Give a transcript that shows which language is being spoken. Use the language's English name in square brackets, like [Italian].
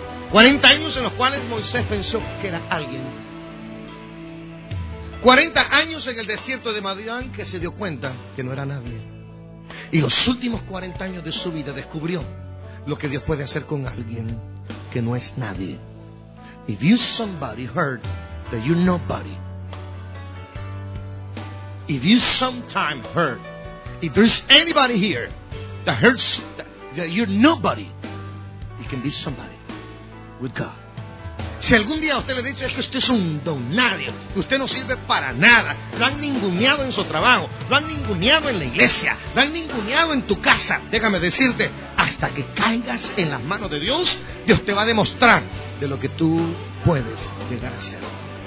[Spanish] 40 años en los cuales Moisés pensó que era alguien. 40 años en el desierto de Madián que se dio cuenta que no era nadie. Y los últimos 40 años de su vida descubrió lo que Dios puede hacer con alguien que no es nadie. [English] If you somebody heard that you're nobody, if you sometime heard, if there's anybody here that hurts that you're nobody, you can be somebody with God. [Spanish] Si algún día usted le ha dicho, es que usted es un don nadie, usted no sirve para nada, lo han ninguneado en su trabajo, lo han ninguneado en la iglesia, lo han ninguneado en tu casa, déjame decirte, hasta que caigas en las manos de Dios, Dios te va a demostrar de lo que tú puedes llegar a ser.